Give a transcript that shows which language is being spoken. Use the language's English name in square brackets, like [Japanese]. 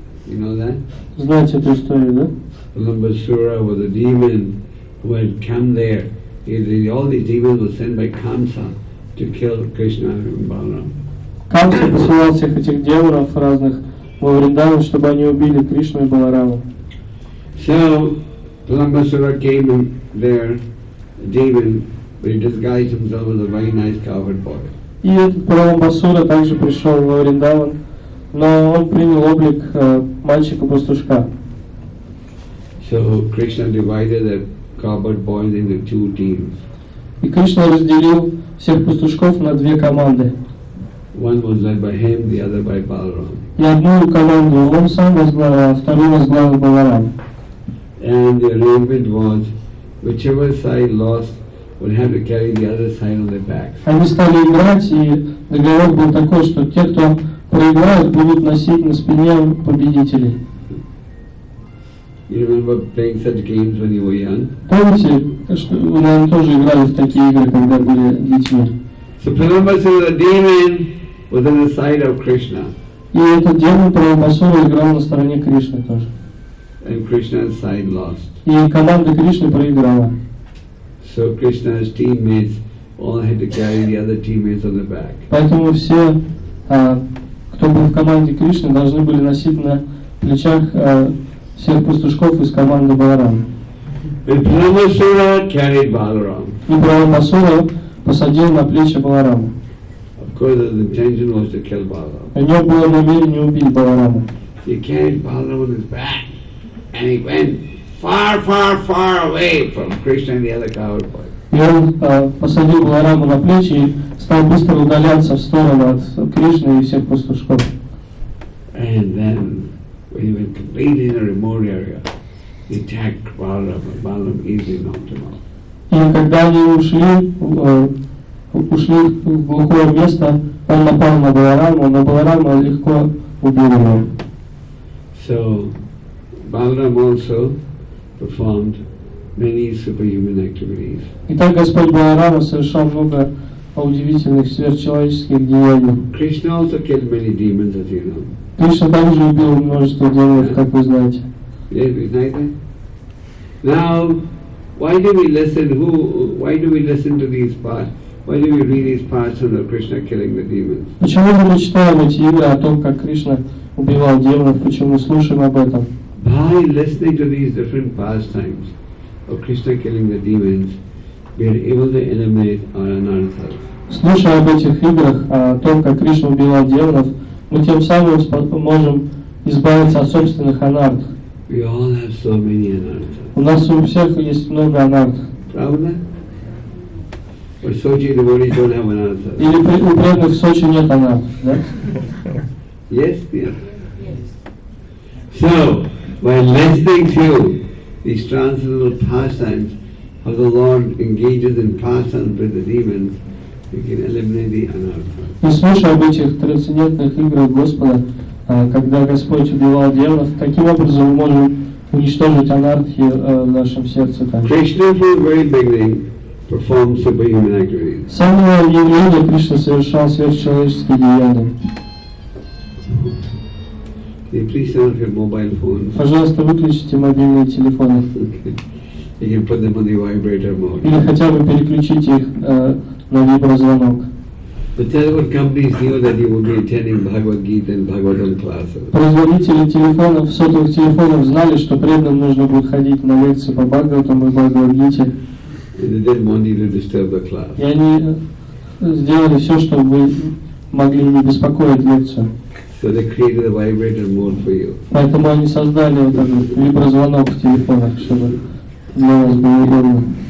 [English] You know that? [Russian] Знаете эту историю, да? [English] Pralambasura was a demon who had come there. All these demons were sent by Kamsa to kill Krishna and Balaram. [Russian] Камса посылал всех этих демонов разных во Вриндаван, чтобы они убили Кришну и Балараму. [English] So Pralambasura came in there, a demon, but he disguised himself as a very nice cowherd boy. [Russian] И Пралабасура также пришел во Вриндаван, но он принял облик мальчика-пастушка. [English] So Krishna divided the cowherd boys into two teams. [Russian] И Кришна разделил всех пастушков на две команды. [English] One was led by him, the other by Balaram. [Russian] И одну команду он сам возглавил, а вторую возглавил Баларам. [English] And the arrangement was, whichever side lost would have to carry the other side on their backs. [Russian] Они стали играть, и договор был такой, что те, кто проиграют, будут носить на спине победителей. [English] You remember playing such games when you were young? [Russian] Помните, что вы, наверное, тоже играли в такие игры, когда были детьми? [English] So Pralambasura, the demon, was on the side of Krishna. [Russian] И этот демон Пралабасура играл на стороне Кришны тоже. [English] And Krishna's side lost. [Russian] И команда Кришны проиграла. [English] So Krishna's teammates all had to carry the other teammates on the back. [Russian] Поэтому все, кто был в команде Кришны, должны были носить на плечах всех пастушков из команды Баларам. [English] And Pralambasura carried Balaram. [Russian] И Пралабасура посадил на плечи Баларама. [English] Of course, his intention was to kill Balaram. [Russian] У него было намерение убить Баларама. [English] He carried Balaram on his back, and he went far, far, far away from Krishna and the other cowherd boys. [Russian] И он посадил Баларама на плечи и стал быстро удаляться в сторону от Кришны и всех пастушков. [English] And then, when he went completely in a remote area, he attacked Balaram, and Balaram easily knocked him off. [Russian] И когда они ушли, ушли в глухое место, он напал на Баларама, но Баларама легко убил его. [English] So, Balaram also performed many superhuman activities. [Russian] И так Господь Баларама совершал много удивительных сверхчеловеческих деяний. [English] Krishna also killed many demons, as you know. [Russian] Кришна также убил множество демонов, как вы знаете. [English] Now, why do we read these parts of Krishna killing the demons? [Russian] Почему мы читаем эти игры о том, как Кришна убивал демонов? Почему мы слушаем об этом? [English] By listening to these different pastimes of Krishna killing the demons, we are able to eliminate our anartha. [Russian] Слушая об этих играх о том, как Кришна убивал демонов, мы тем самым можем избавиться от собственных анарт. [English] We all have so many anarthas. [Russian] У нас у всех есть много анарт. Правда? [English] Or Sochi devotees don't have anartha. [Russian] Или у преданных в Сочи нет анарт, да? [English] Yes, yeah. So, by listening to these transcendental pastimes, how the Lord engages in pastimes with the demons, we can eliminate the anartha. [Russian] И слушая об этих трансцендентных играх Господа, когда Господь убивал демонов, каким образом мы можем уничтожить анартхи в нашем сердце? [English] Krishna, from the very beginning, performed superhuman activities. [Russian] С самого явления Кришна совершал сверхчеловеческие деяния. [English] Can you please turn off your mobile phones? [Russian] Пожалуйста, выключите мобильные телефоны. [English] Okay. You can put them on the vibrator mode. [Russian] Или хотя бы переключите их на виброзвонок. [English] The telephone companies knew that you would be attending Bhagavad Gita and Bhagavatam classes. [Russian] Производители телефонов, сотовых телефонов знали, что преданным нужно будет ходить на лекции по Бхагаватам и Бхагавадгите. [English] And they didn't want you to disturb the class. [Russian] И они сделали все, чтобы могли не беспокоить лекцию. [English] So they created a vibrator mode for you. [Russian] Поэтому они создали вот этот виброзвонок в телефонах, чтобы для вас было удобно.